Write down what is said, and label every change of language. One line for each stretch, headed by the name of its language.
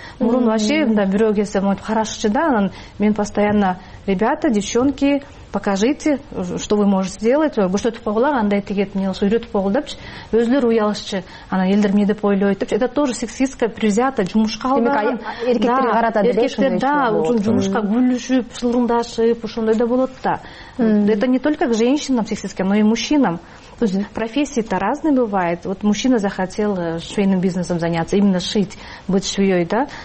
Kyrgyz: Мурун вообще мындай бирөө келсе моюп карашчу да, анан мен постоянно:
Russian: ребята, девчонки, покажите, что вы можете сделать.
Kyrgyz: Көрсөтүп койгулар, андай тигет, мен ошо үйрөтүп койгул депчи. Өзүлөрү уялышчы, анан элдер эмне деп ойлойт депчи.
Russian: Это тоже сексистское привзято
Kyrgyz: жумушка алды. Эркектерге карата деле. Эркектер да, жумушка күлүшүп, сылдыңдашып, ошондой да болот да.
Russian: Это не только к женщинам сексистское, но и мужчинам. То есть профессии-то разные бывают. Вот мужчина захотел швейным бизнесом заняться, именно шить, быть швеей, да?